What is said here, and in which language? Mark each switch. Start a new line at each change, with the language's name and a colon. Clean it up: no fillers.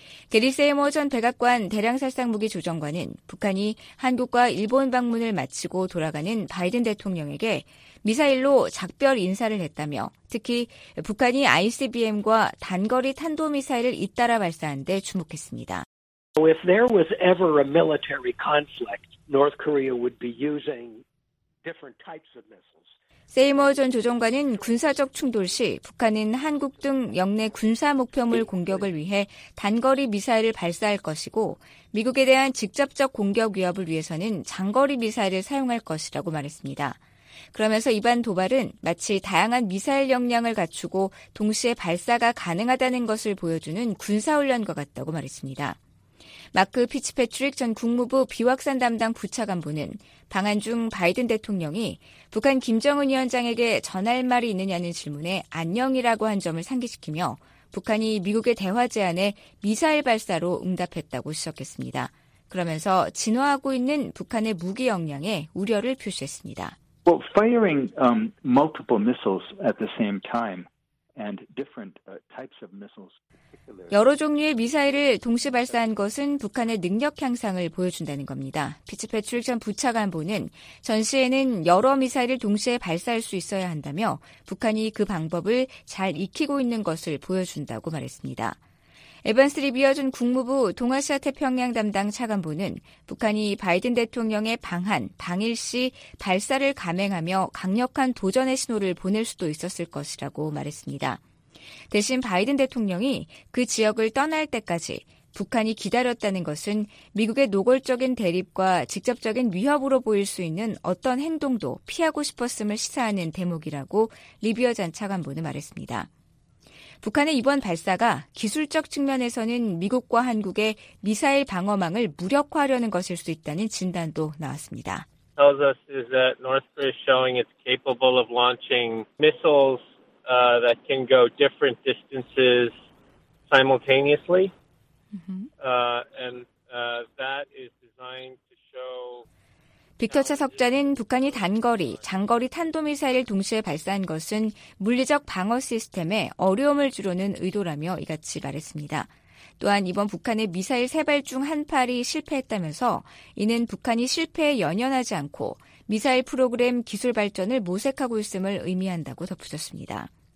Korean: 게리 세이머 전 백악관 대량살상무기 조정관은 북한이 한국과 일본 방문을 마치고 돌아가는 바이든 대통령에게 미사일로 작별 인사를 했다며 특히 북한이 ICBM과 단거리 탄도미사일을 잇따라 발사한 데 주목했습니다.
English: If there was ever a military conflict, North Korea would be using different types of missiles.
Korean: 세이머 전 조정관은 군사적 충돌 시 북한은 한국 등 영내 군사 목표물 공격을 위해 단거리 미사일을 발사할 것이고 미국에 대한 직접적 공격 위협을 위해서는 장거리 미사일을 사용할 것이라고 말했습니다. 그러면서 이번 도발은 마치 다양한 미사일 역량을 갖추고 동시에 발사가 가능하다는 것을 보여주는 군사훈련과 같다고 말했습니다. 마크 피츠패트릭 전 국무부 비확산 담당 부차관보는 방한 중 바이든 대통령이 북한 김정은 위원장에게 전할 말이 있느냐는 질문에 안녕이라고 한 점을 상기시키며 북한이 미국의 대화 제안에 미사일 발사로 응답했다고 지적했습니다. 그러면서 진화하고 있는 북한의 무기 역량에 우려를 표시했습니다.
English: Well, firing multiple missiles at the same time. And different types of missiles.
Korean: 여러 종류의 미사일을 동시 발사한 것은 북한의 능력 향상을 보여준다는 겁니다. 피츠패트릭 전 부차관보는 전시에는 여러 미사일을 동시에 발사할 수 있어야 한다며 북한이 그 방법을 잘 익히고 있는 것을 보여준다고 말했습니다. 에반스 리비어 전 국무부 동아시아 태평양 담당 차관보는 북한이 바이든 대통령의 방한, 방일 시 발사를 감행하며 강력한 도전의 신호를 보낼 수도 있었을 것이라고 말했습니다. 대신 바이든 대통령이 그 지역을 떠날 때까지 북한이 기다렸다는 것은 미국의 노골적인 대립과 직접적인 위협으로 보일 수 있는 어떤 행동도 피하고 싶었음을 시사하는 대목이라고 리비어 전 차관보는 말했습니다. 북한의 이번 발사가 기술적 측면에서는 미국과 한국의 미사일 방어망을 무력화하려는 것일 수 있다는 진단도 나왔습니다.
English: Tells us is that North Korea is showing it's capable of launching missiles that can go different distances simultaneously. That is designed to show
Korean: 빅터 차석자는 북한이 단거리, 장거리 탄도미사일을 동시에 발사한 것은 물리적 방어 시스템에 어려움을 주려는 의도라며 이같이 말했습니다. 또한 이번 북한의 미사일 세 발 중 한 발이 실패했다면서 이는 북한이 실패에 연연하지 않고 미사일 프로그램 기술 발전을 모색하고 있음을 의미한다고 덧붙였습니다.